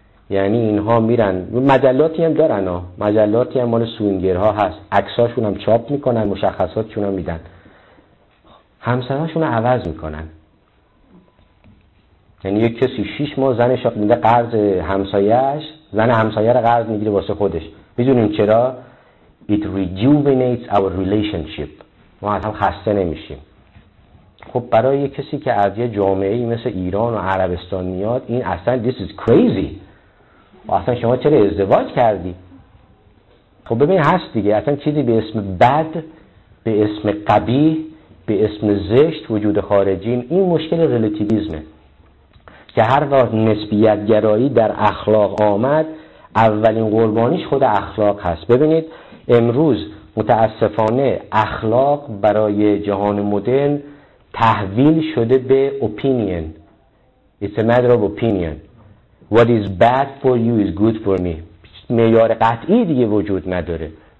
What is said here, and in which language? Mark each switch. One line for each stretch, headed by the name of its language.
Persian: یعنی اینها میرن، مجلاتی هم دارن، مجلاتی هم مال سوینگرها هست، عکساشون هم چاپ میکنن، مشخصاتشون هم میدن، همسرهاشون رو عوض میکنن. یعنی یک کسی 6 ماه زنش رو میده قرض همسایه‌اش، زن همسایه رو قرض میگیره واسه خودش. میدونیم چرا؟
English: It rejuvenates our relationship.
Persian: ما هم خسته نمیشیم. خب برای یک کسی که از یه جامعه‌ای مثل ایران و عربستان میاد، این اصلا
English: this is crazy.
Persian: اصلا شما چرا ازدواج کردی؟ خب ببین، هست دیگه، اصلا چیزی به اسم بد، به اسم قبیح، به اسم زشت وجود خارجی. این مشکل ریلاتیویسمه که هر وقت نسبیت گرایی در اخلاق آمد، اولین قربانیش خود اخلاق هست. ببینید، امروز متاسفانه اخلاق برای جهان مدرن تحویل شده به اپینین.
English: It's a matter of opinion. What is bad for you is good for me.
Persian: معیار قطعی دیگه وجود نداره.